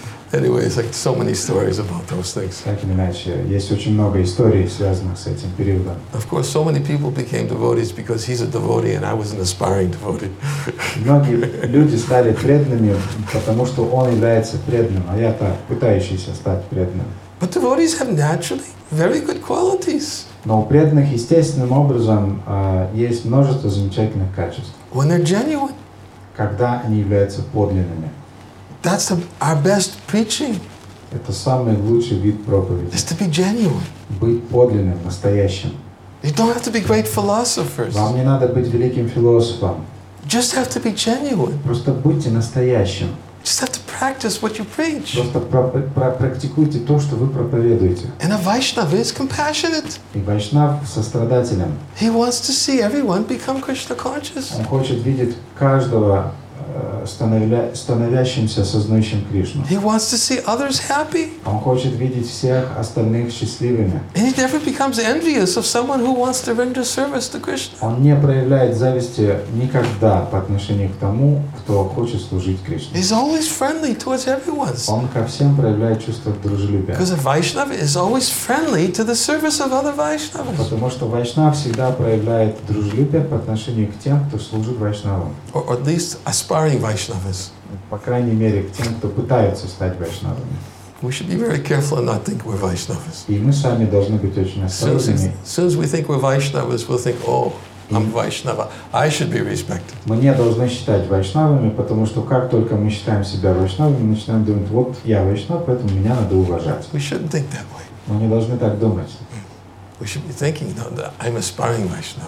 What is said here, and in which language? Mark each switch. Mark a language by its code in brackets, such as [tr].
[en] Anyways, like so many stories about those things. [ru] Так или иначе, есть очень много историй, связанных с этим периодом. [en] Of course, so many people became devotees because he's a devotee and I was an aspiring devotee. [ru] Многие люди стали преданными, потому что он является преданным, а я-то пытающийся стать преданным. [en] But devotees have naturally very good qualities. [ru] Но у преданных естественным образом есть множество замечательных качеств. [en] When they're genuine. [ru] Когда они являются подлинными. [en] That's our best preaching. [ru] Это самый лучший вид проповеди. [en] Is to be genuine. [ru] Быть подлинным, настоящим. [en] You don't have to be great philosophers. [ru] Вам не надо быть великим философом. [en] Just have to be genuine. [ru] Просто будьте настоящим. [en] Just have to practice what you preach. [ru] Просто практикуйте то, что вы проповедуете. [en] And a Vaishnava is compassionate. [ru] И Вайшнав сострадателен. [en] He wants to see everyone become Krishna conscious. [ru] Он хочет видеть каждого становящимся, сознающим Кришну. [en] He wants to see others happy. [ru] Он хочет видеть всех остальных счастливыми. [en] And he never becomes envious of someone who wants to render service to Krishna. [ru] Он не проявляет зависти никогда по отношению к тому, кто хочет служить Кришне. [en] He's always friendly towards everyone. [ru] Он ко всем проявляет чувство дружелюбия. [en] Because a Vaishnava is always friendly to the service of other Vaishnavas. [ru] Потому что Вайшнав всегда проявляет дружелюбие по отношению к тем, кто служит Вайшнавам. [en] Or at least aspiring Vaishnavas. [ru] По крайней мере, к тем, кто пытается стать Вайшнавами. [en] We should be very careful and not think we're Vaishnavas. [ru] И мы сами должны быть очень осторожными. [en] Since we think we're Vaishnavas, we'll think, oh, I'm Vaishnava. I should be respected. [ru] Мы не должны считать Вайшнавами, потому что как только мы считаем себя Вайшнавами, мы начинаем думать, вот я Вайшнав, поэтому меня надо уважать. [en] We shouldn't think that way. [ru] Мы не должны так думать. [en] We should be thinking, no, I'm aspiring Vaishnava.